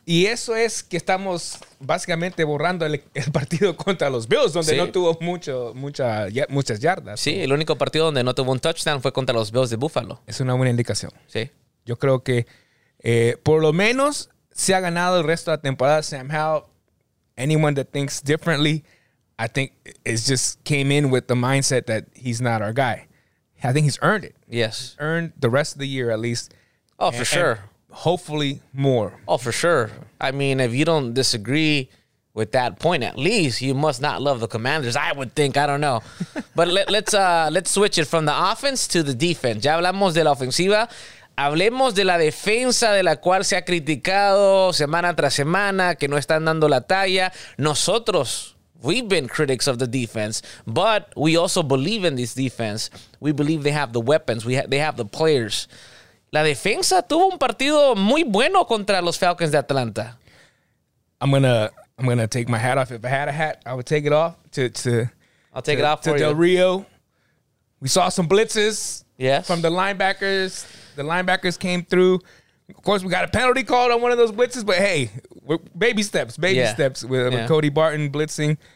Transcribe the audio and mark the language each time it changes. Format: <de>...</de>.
<es>Y eso es que estamos básicamente borrando el partido contra los Bills, donde sí. No tuvo muchas yardas. Sí, el único partido donde no tuvo un touchdown fue contra los Bills de Buffalo. Es una buena indicación. Sí. Yo creo que por lo menos se ha ganado el resto de la temporada Sam Howell.</es> <en>Anyone that thinks differently, I think it's just came in with the mindset that he's not our guy. I think he's earned it. Yes. Earned the rest of the year at least. Oh, for sure. Hopefully more. Oh, for sure. I mean, if you don't disagree with that point, at least you must not love the Commanders, I would think. I don't know. But let's switch it from the offense to the defense.</en> <es>Ya hablamos de la ofensiva. Hablemos de la defensa de la cual se ha criticado semana tras semana, que no están dando la talla. Nosotros...</es> <en>We've been critics of the defense, but we also believe in this defense. We believe they have the weapons. They have the players.</en> <es>La defensa tuvo un partido muy bueno contra los Falcons de Atlanta.</es> <en>I'm gonna take my hat off. If I had a hat, I would take it off to Del Rio. We saw some blitzes. Yes. From the linebackers. The linebackers came through. Of course, we got a penalty called on one of those blitzes, but hey, baby steps with Cody Barton blitzing.</en>